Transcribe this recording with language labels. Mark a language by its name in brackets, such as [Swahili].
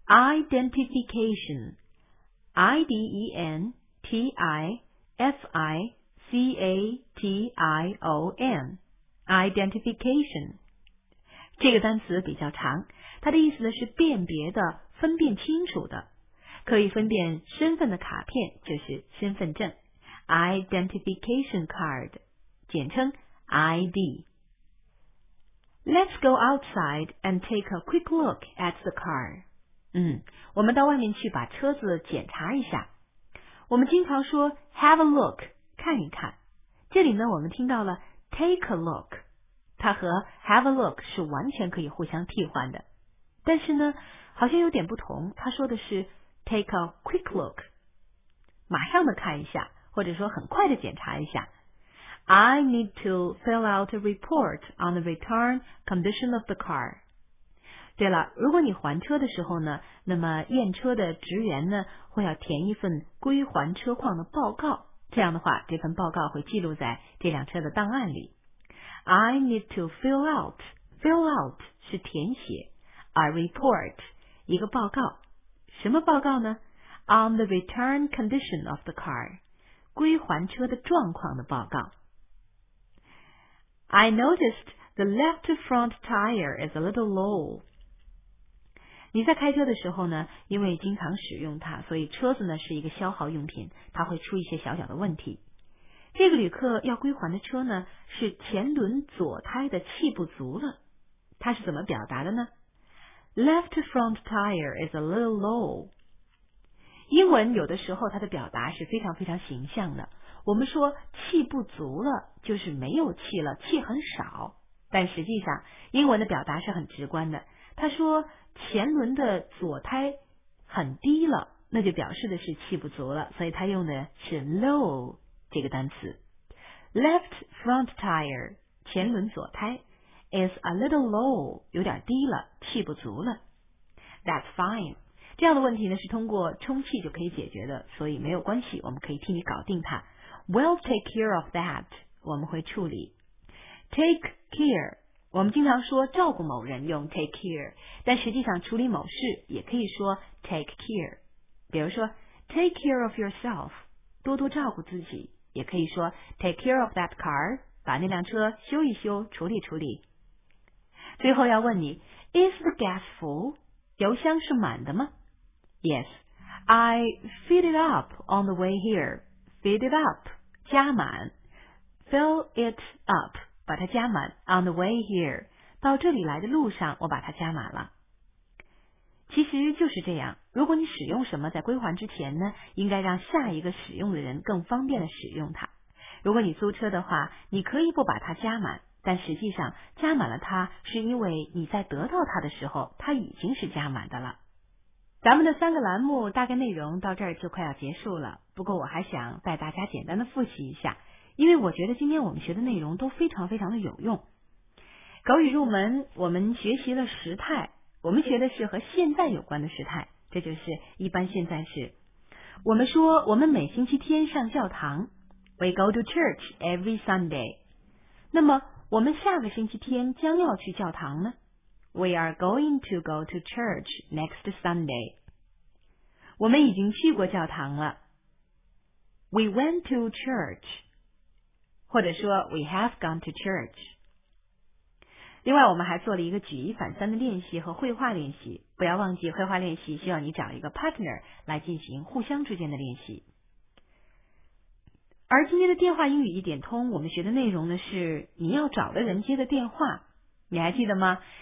[Chinese] Identification,IDENTIFICATION Identification 这个单词比较长，它的意思是辨别的，分辨清楚的，可以分辨身份的卡片就是身份证 Identification Card 简称 ID [English] Let's go outside and take a quick look at the car [Chinese] 我们到外面去把车子检查一下。我们经常说 [English] have a look, [Chinese] 看一看。这里呢我们听到了 [English] take a look, [Chinese] 它和 [English] have a look [Chinese] 是完全可以互相替换的。但是呢好像有点不同，它说的是 [English] take a quick look, [Chinese] 马上的看一下，或者说很快的检查一下。 [English] I need to fill out a report on the return condition of the car. [Chinese] 对了，如果你还车的时候呢，那么验车的职员呢会要填一份归还车况的报告，这样的话这份报告会记录在这辆车的档案里。 [English] I need to fill out [Chinese] 是填写 [English] a report [Chinese] 一个报告，什么报告呢？ [English] On the return condition of the car [Chinese] 归还车的状况的报告。 [English] I noticed the left front tire is a little low. [Chinese] 你在开车的时候呢，因为经常使用它，所以车子呢是一个消耗用品，它会出一些小小的问题。这个旅客要归还的车呢，是前轮左胎的气不足了。他是怎么表达的呢 [English] ？Left front tire is a little low。 [Chinese] 英文有的时候它的表达是非常非常形象的。我们说气不足了，就是没有气了，气很少。但实际上，英文的表达是很直观的。他说前轮的左胎很低了，那就表示的是气不足了，所以他用的是 low 这个单词。 [English] Left front tire [Chinese] 前轮左胎 [English] is a little low [Chinese] 有点低了，气不足了。 [English] That's fine [Chinese] 这样的问题呢是通过充气就可以解决的，所以没有关系，我们可以替你搞定它。 [English] We'll take care of that [Chinese] 我们会处理。 [English] Take care. [Chinese] 我们经常说照顾某人用 take care, 但实际上处理某事也可以说 take care。比如说 [English] take care of yourself, [Chinese] 多多照顾自己，也可以说 [English] take care of that car, [Chinese] 把那辆车修一修，处理处理。最后要问你 , [English] is the gas full? [Chinese] 油箱是满的吗？ [English] Yes, I filled it up on the way here. Filled it up, [Chinese] 加满。 [English] Fill it up. [Chinese] 把它加满 [English] on the way here [Chinese] 到这里来的路上我把它加满了，其实就是这样，如果你使用什么在归还之前呢，应该让下一个使用的人更方便的使用它，如果你租车的话你可以不把它加满，但实际上加满了它是因为你在得到它的时候它已经是加满的了。咱们的三个栏目大概内容到这儿就快要结束了，不过我还想带大家简单的复习一下，因为我觉得今天我们学的内容都非常非常的有用。口语入门，我们学习了时态，我们学的是和现在有关的时态，这就是一般现在时。我们说我们每星期天上教堂， [English] We go to church every Sunday。 [Chinese] 那么我们下个星期天将要去教堂呢？ [English] We are going to go to church next Sunday。 [Chinese] 我们已经去过教堂了， [English] We went to church， [Chinese] 或者说 [English] We have gone to church。 [Chinese] 另外我们还做了一个举一反三的练习和绘画练习，不要忘记绘画练习需要你找一个 partner 来进行互相之间的练习。而今天的电话英语一点通我们学的内容呢是你要找的人接的电话，你还记得吗？